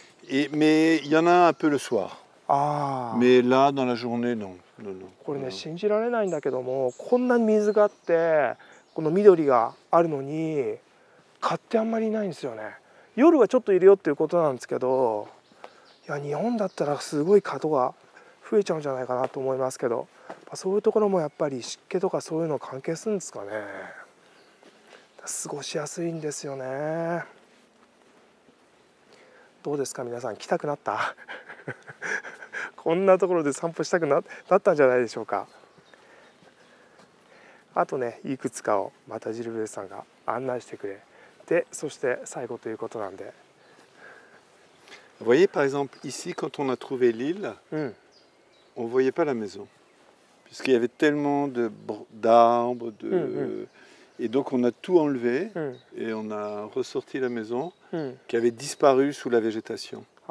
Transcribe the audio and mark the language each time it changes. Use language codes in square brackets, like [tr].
[fr] Et, mais il y en a un peu le soir. Ah. Mais là, dans la journée, non. Non, non. [ja] これね、信じられないんだけども、こんなに水があって、この緑があるのに、蚊ってあんまりいないんですよね。夜はちょっといるよっていうことなんですけど、いや、日本だったらすごい蚊とか増えちゃうんじゃないかなと思いますけど、そういうところもやっぱり湿気とかそういうの関係するんですかね。過ごしやすいんですよね。どうですか皆さん、来たくなったこんなところで散歩したくなったんじゃないでしょうか。あとねいくつかをまたジルベールさんが案内してくれで、そして最後ということなんで。 [fr] Vous voyez, par exemple, ici, quand on a trouvé l'île, on ne voyait pas la maison. Puisqu'il y avait tellement de, d'arbres. De... Et donc, on a tout enlevé et on a ressorti la maison qui avait disparu sous la végétation.